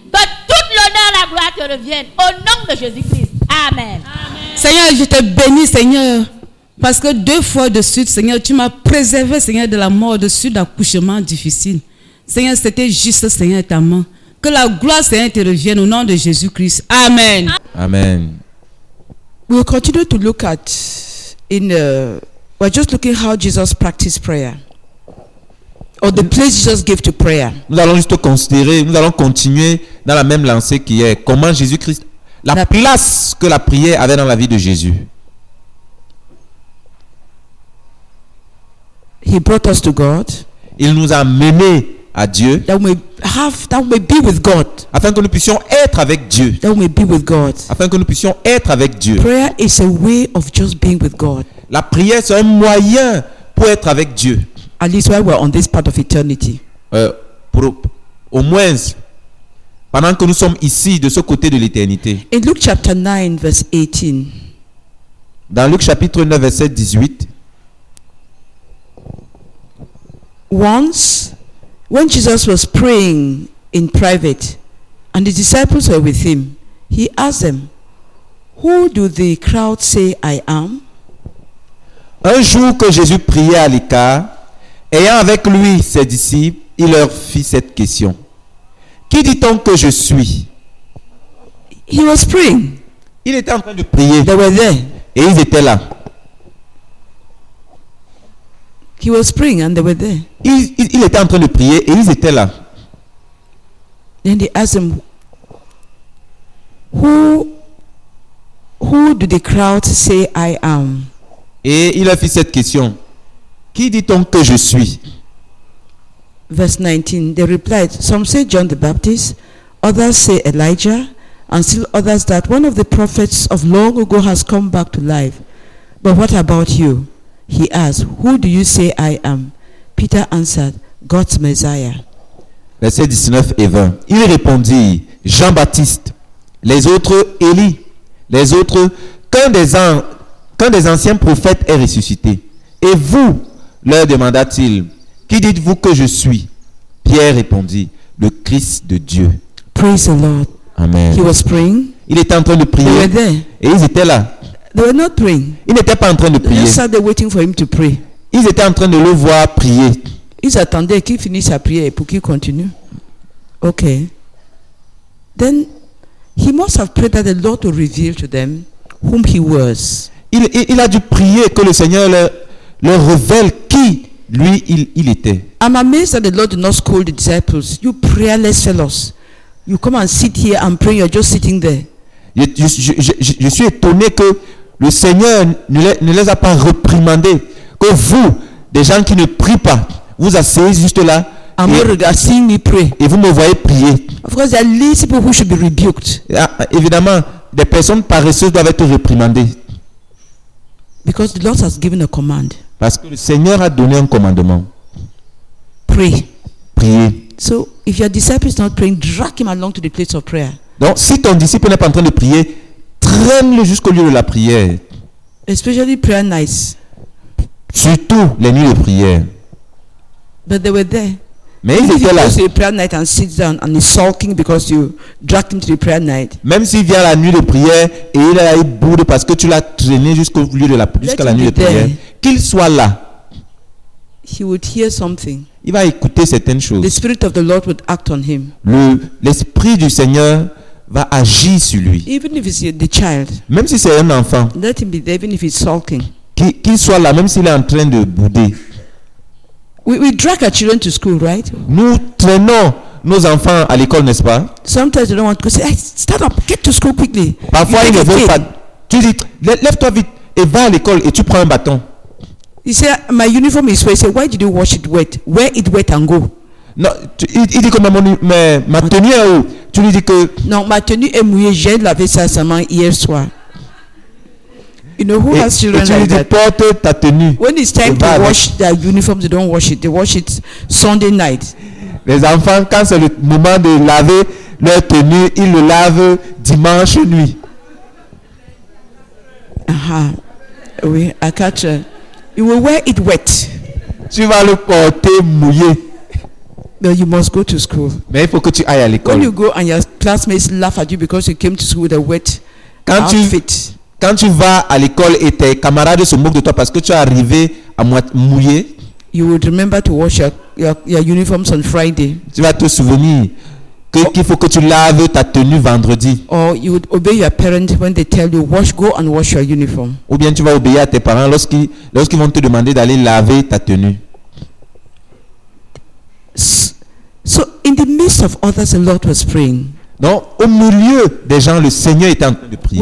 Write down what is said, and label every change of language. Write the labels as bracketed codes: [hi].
[fr] Que toute l'honneur et la gloire te reviennent au nom de Jésus-Christ. Amen. Amen. Seigneur, je te bénis, Seigneur. Parce que 2 fois de suite, Seigneur, tu m'as préservé, Seigneur, de la mort, de suite d'accouchement difficile. Seigneur, c'était juste, Seigneur, ta main. Que la gloire, Seigneur, te revienne au nom de Jésus-Christ. Amen. Amen. [en] We'll continue to look at, we're just looking how Jesus practiced prayer. Or the place Jesus gave to prayer. [fr] Nous allons juste considérer, nous allons continuer dans la même lancée qui est comment Jésus-Christ, la place que la prière avait dans la vie de Jésus. [en] He brought us to God. [fr] Il nous a menés à Dieu. [en] That we may be with God. [fr] Afin que nous puissions être avec Dieu. [en] That we may be with God. [fr] Afin que nous puissions être avec Dieu. [en] Prayer is a way of just being with God. [fr] La prière c'est un moyen pour être avec Dieu. [en] At least while we're on this part of eternity. [fr] Au moins pendant que nous sommes ici de ce côté de l'éternité. [en] In Luke chapter 9 verse 18. [fr] Dans Luc chapitre 9 verset 18. [en] Once when Jesus was praying in private and the disciples were with him, he asked them, "Who do the crowd say I am?" [fr] Un jour que Jésus priait à l'écart, ayant avec lui ses disciples, il leur fit cette question. Qui dit-on que je suis? [en] He was praying. [fr] Il était en train de prier. [en] They were there. [fr] Et ils étaient là. [en] He was praying and they were there. [fr] Il était en train de prier et ils étaient là. [en] Then they asked him, Who do the crowd say I am? [fr] Et il a fait cette question. Qui dit-on que je suis? [en] Verse 19. They replied, some say John the Baptist, others say Elijah, and still others that one of the prophets of long ago has come back to life. But what about you? He asked, who do you say I am? Peter answered, God's Messiah. [fr] Verset 19 et 20. Il répondit, Jean-Baptiste, les autres Élie, les autres qu'un des anciens prophètes est ressuscité. Et vous, leur demanda-t-il, qui dites-vous que je suis? Pierre répondit, le Christ de Dieu. [en] Praise the Lord. Amen. He was praying. [fr] Il était en train de prier. [en] They were there. [fr] Et ils étaient là. [en] They were not praying. [fr] Ils n'étaient pas en train de prier. [en] They sat there waiting for him to pray. [fr] Ils étaient en train de le voir prier. Ils attendaient qu'il finisse sa prière pour qu'il continue. [en] Ok. Then he must have prayed that the Lord would reveal to them whom he was. [fr] Il a dû prier que le Seigneur leur révèle qui lui il était. [en] I'm amazed that the Lord did not scold the disciples. You prayerless fellows, you come and sit here and pray. You're just sitting there. [fr] Je suis étonné que le Seigneur ne les a pas réprimandés. Que vous, des gens qui ne prient pas, vous asseyez juste là. Et vous me voyez prier. [en] Of course, there are lazy people who should be rebuked. [fr] Évidemment, des personnes paresseuses doivent être réprimandées. [en] Because the Lord has given a command. [fr] Parce que le Seigneur a donné un commandement. [en] Pray. [fr] Prier. [en] So, if your disciple is not praying, drag him along to the place of prayer. [fr] Donc, si ton disciple n'est pas en train de prier, traîne-le jusqu'au lieu de la prière. [en] Especially prayer nights. [fr] Surtout les nuits de prière. [en] But they were there. [fr] Mais ils étaient là. [en] Even if you go to a prayer night and sit down and he's sulking because you dragged him to the prayer night. [fr] Même s'il vient à la nuit de prière et il est boude parce que tu l'as traîné jusqu'au lieu de la jusqu'à la nuit de prière. Qu'il soit là. [en] He would hear something. [fr] Il va écouter certaines choses. [en] The spirit of the Lord would act on him. [fr] L'esprit du Seigneur va agir sur lui. [en] Even if it's the child. [fr] Même si c'est un enfant. [en] Let him be there even if he's sulking. [fr] Qu'il soit là même s'il est en train de bouder. [en] We drag our children to school, right? [fr] Nous traînons nos enfants à l'école, n'est-ce pas? [en] Sometimes they don't want to go. Say, hey, stand up, get to school quickly. [fr] Parfois ils ne veulent pas. Tu dis, lève-toi vite et va à l'école et tu prends un bâton. [en] He said, my uniform is wet. He said, why did you wash it wet? Wear it wet and go. [fr] Non, il dit que ma tenue est où? Tu lui dis que. Non, ma tenue est mouillée. J'ai lavé ça seulement hier soir. [en] You know who [fr] et, [en] has children [fr] et tu [en] like [fr] dis, [en] that? [fr] Porte ta tenue. [en] When it's time to wash their uniforms, they don't wash it. They wash it Sunday night. [fr] Les enfants, quand c'est le moment de laver leur tenue, ils le lavent dimanche nuit. Oui, [en] I catch. You will wear it wet. [fr] Tu vas le porter mouillé. [en] But you must go to school. [fr] Mais il faut que tu ailles à l'école. [en] When you go and your classmates laugh at you because you came to school with a wet [fr] quand [en] outfit. [fr] Quand tu vas à l'école et tes camarades se moquent de toi parce que tu es arrivé à moitié mouillé, [en] you would remember to wash your uniforms on Friday. [fr] Tu vas te souvenir qu'il faut que tu laves ta tenue vendredi. [en] Or you would obey your parents when they tell you wash, go and wash your uniform. [fr] Ou bien tu vas obéir à tes parents lorsqu'ils vont te demander d'aller laver ta tenue. [en] So in the midst of others, the Lord was praying. [fr] Donc, au milieu des gens, le Seigneur était en train de prier.